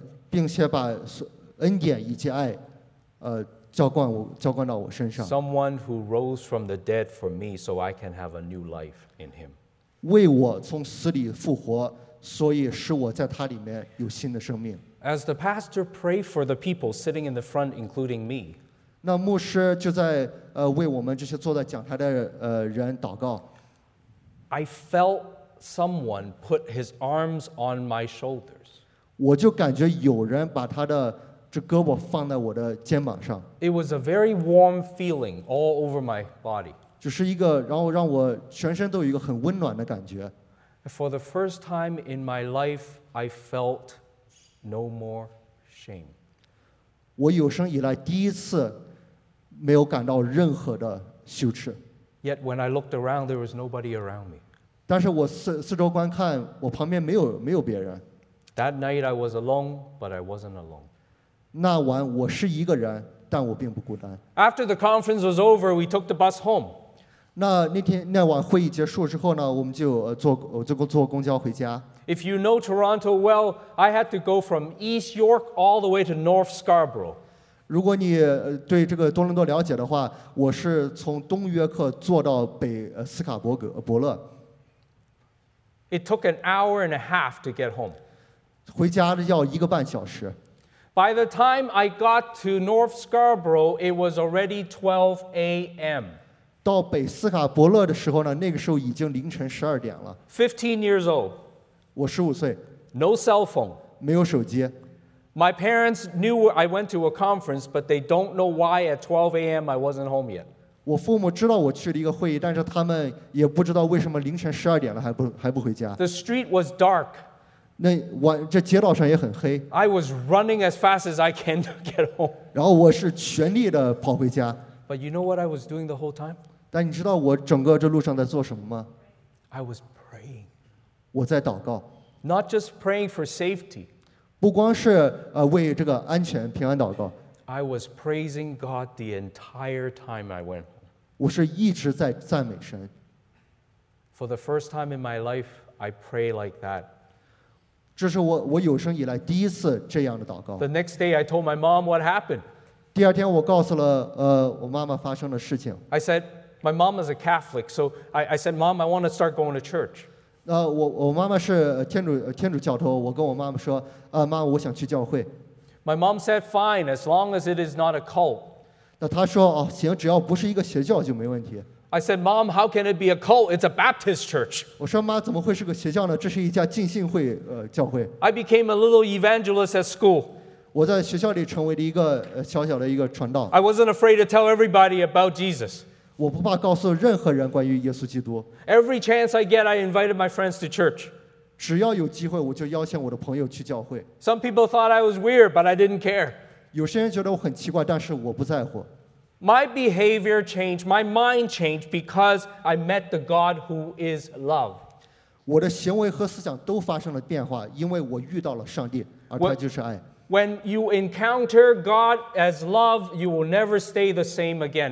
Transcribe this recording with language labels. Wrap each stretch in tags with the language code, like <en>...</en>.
<zh>并且把恩典以及爱浇灌到我身上。</zh> <en>Someone who rose from the dead for me so I can have a new life in him.</en> <zh>为我从死里复活，所以使我在他里面有新的生命。</zh> <en>As the pastor prayed for the people sitting in the front, including me,</en> <zh>那牧师就在为我们这些坐在讲台的人祷告。</zh> <en>I felt someone put his arms on my shoulders.</en> <zh>我就感觉有人把他的这胳膊放在我的肩膀上。</zh> <en>It was a very warm feeling all over my body.</en> <zh>就是一个让我全身都有一个很温暖的感觉。</zh> <en>For the first time in my life, I felt no more shame.</en> <zh>我有生以来第一次没有感到任何的羞耻。</zh> <en>Yet when I looked around, there was nobody around me.</en> <zh>但是我四周观看，我旁边没有别人。</zh> <en>That night I was alone, but I wasn't alone.</en> <zh>那晚我是一个人，但我并不孤单。</zh> <en>After the conference was over, we took the bus home.</en> <zh>那晚会议结束之后呢，我们就坐公交回家。</zh> <en>If you know Toronto well, I had to go from East York all the way to North Scarborough.</en> <zh>如果你对这个多伦多了解的话，我是从东约克坐到北斯卡伯格伯勒。</zh> <en>It took an hour and a half to get home.</en> <zh>回家要一个半小时。</zh> <en>By the time I got to North Scarborough, it was already 12 a.m.</en> <zh>到北斯卡伯勒的时候呢，那个时候已经凌晨十二点了。</zh> <en>15 years old，</en> <zh>我十五岁。</zh> <en>No cell phone，</en> <zh>没有手机。</zh> <en>My parents knew I went to a conference， but they don't know why at 12 a.m. I wasn't home yet。</en> <zh>我父母知道我去了一个会议，但是他们也不知道为什么凌晨十二点了还不回家。</zh> <en>The street was dark，</en> <zh>那晚这街道上也很黑。</zh> <en>I was running as fast as I can to get home。</en> <zh>然后我是全力的跑回家。</zh> <en>But you know what I was doing the whole time?</en> <zh>但你知道我整个这路上在做什么吗？</zh> <en>I was praying.</en> <zh>我在祷告。</zh> <en>Not just praying for safety.</en> <zh>不光是为这个安全平安祷告。</zh> <en>I was praising God the entire time I went home.</en> <zh>我是一直在赞美神。</zh> <en>For the first time in my life, I pray like that.</en> <zh>这是我有生以来第一次这样的祷告。</zh> <en>The next day, I told my mom what happened.</en> <zh>第二天我告诉了我妈妈发生的事情。</zh> <en>I said, my mom is a Catholic, so I said, mom, I want to start going to church.</en> <zh>我妈妈是天主教徒，我跟我妈妈说，妈，我想去教会。</zh> <en>My mom said, fine, as long as it is not a cult.</en> <zh>那她说，哦，行，只要不是一个邪教就没问题。</zh> <en>I said, mom, how can it be a cult? It's a Baptist church.</en> <zh>我说，妈，怎么会是个邪教呢？这是一家浸信会教会。</zh> <en>I became a little evangelist at school.</en> <zh>我在学校里成为了一个小小的一个传道。</zh> <en>I wasn't afraid to tell everybody about Jesus.</en> <zh>我不怕告诉任何人关于耶稣基督。</zh> <en>Every chance I get, I invited my friends to church.</en> <zh>只要有机会，我就邀请我的朋友去教会。</zh> <en>Some people thought I was weird, but I didn't care.</en> <zh>有些人觉得我很奇怪，但是我不在乎。</zh> <en>My behavior changed, my mind changed because I met the God who is love.</en> <zh>我的行为和思想都发生了变化，因为我遇到了上帝，而他就是爱。</zh> <en>When you encounter God as love, you will never stay the same again.</en>